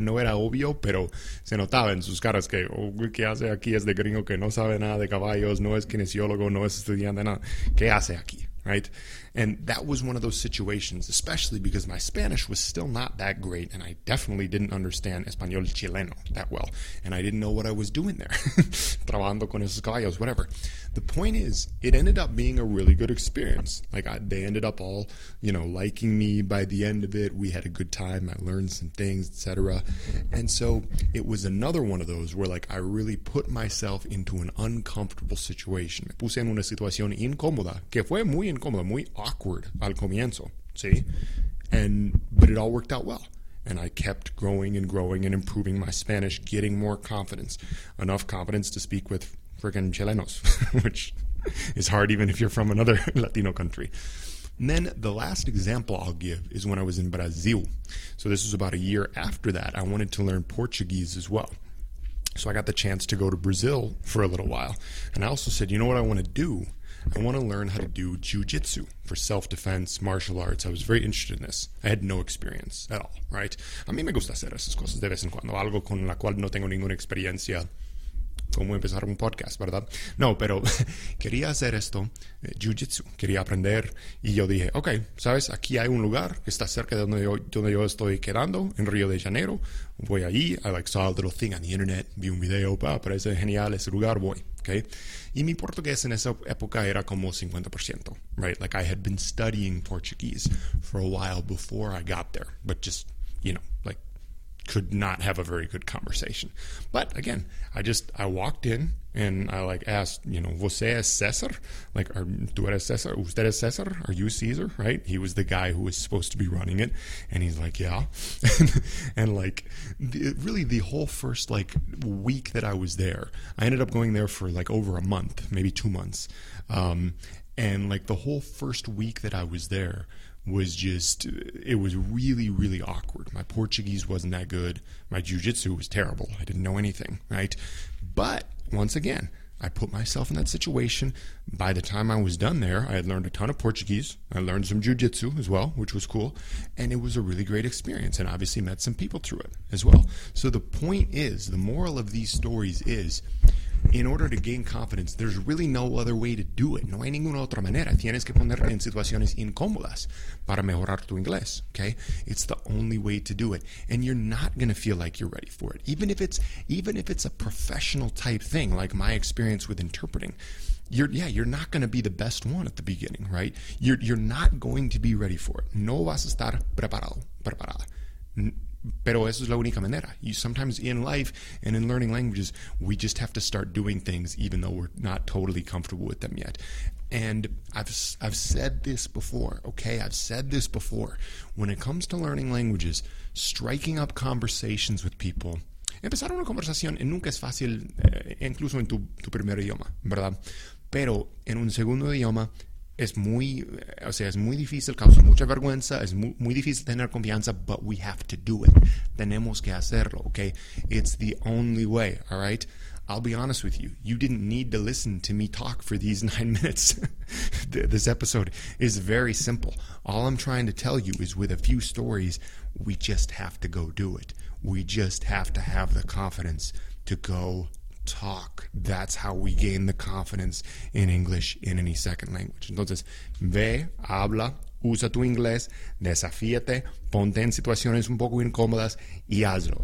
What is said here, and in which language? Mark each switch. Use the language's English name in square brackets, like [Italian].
[Spanish] No era obvio, pero se notaba en sus caras que, oh, ¿qué hace aquí este gringo que no sabe nada de caballos? No es kinesiólogo, no es estudiante, nada. ¿Qué hace aquí? Right? [English] And that was one of those situations, especially because my Spanish was still not that great, and I definitely didn't understand Español Chileno that well, and I didn't know what I was doing there, [Spanish] trabajando con esos caballos, [English] whatever. The point is, it ended up being a really good experience. Like, they ended up all, you know, liking me by the end of it. We had a good time. I learned some things, etc. And so it was another one of those where, like, I really put myself into an uncomfortable situation. [Spanish] Me puse en una situación incómoda, que fue muy incómoda, muy awkward al comienzo, see? [English] But it all worked out well. And I kept growing and growing and improving my Spanish, getting more confidence, enough confidence to speak with freaking chilenos, which is hard even if you're from another Latino country. And then the last example I'll give is when I was in Brazil. So this was about a year after that. I wanted to learn Portuguese as well. So I got the chance to go to Brazil for a little while. And I also said, you know what I want to do? I want to learn how to do jiu-jitsu for self-defense, martial arts. I was very interested in this. I had no experience at all, right? [Spanish] A mí me gusta hacer esas cosas de vez en cuando. Algo con la cual no tengo ninguna experiencia. Cómo empezar un podcast, ¿verdad? No, pero quería hacer esto, jiu-jitsu. Quería aprender. Y yo dije, ok, ¿sabes? Aquí hay un lugar que está cerca de donde yo estoy quedando, en Río de Janeiro. Voy allí. [English] I like saw a little thing on the internet. [Spanish] Vi un video. Pa, parece genial ese lugar. Voy. Okay. Y mi portugués en esa época era como 50%, right? [English] Like I had been studying Portuguese for a while before I got there, but just, you know, like could not have a very good conversation. But again, I walked in and I like asked, you know, [Portuguese] você é César? [English] Like, [Spanish] tu eres César? Usted es César? [English] Are you Caesar? Right? He was the guy who was supposed to be running it. And he's like, yeah. And like, really the whole first like week that I was there, I ended up going there for like over a month, maybe 2 months. And like the whole first week that I was there, it was really, really awkward. My Portuguese wasn't that good. My jiu-jitsu was terrible. I didn't know anything, right? But once again, I put myself in that situation. By the time I was done there, I had learned a ton of Portuguese. I learned some jiu-jitsu as well, which was cool. And it was a really great experience and obviously met some people through it as well. So the point is, the moral of these stories is, in order to gain confidence, there's really no other way to do it. [Spanish] No hay ninguna otra manera. Tienes que ponerte en situaciones incómodas para mejorar tu inglés, okay? [English] It's the only way to do it. And you're not going to feel like you're ready for it. Even if it's a professional type thing, like my experience with interpreting, you're not going to be the best one at the beginning, right? You're not going to be ready for it. [Spanish] No vas a estar preparada. Pero eso es la única manera. [English] You sometimes in life and in learning languages, we just have to start doing things even though we're not totally comfortable with them yet. And I've said this before, okay? I've said this before. When it comes to learning languages, striking up conversations with people. [Spanish] Empezar una conversación nunca es fácil, incluso en tu primer idioma, ¿verdad? Pero en un segundo idioma, es muy difícil, causa mucha vergüenza, es muy difícil tener confianza, [English] but we have to do it. [Spanish] Tenemos que hacerlo, [English] okay? It's the only way, all right? I'll be honest with you. You didn't need to listen to me talk for these 9 minutes. This episode is very simple. All I'm trying to tell you is with a few stories, we just have to go do it. We just have to have the confidence to go talk. That's how we gain the confidence in English in any second language. [Spanish] Entonces, ve, habla, usa tu inglés, desafíate, ponte en situaciones un poco incómodas y hazlo.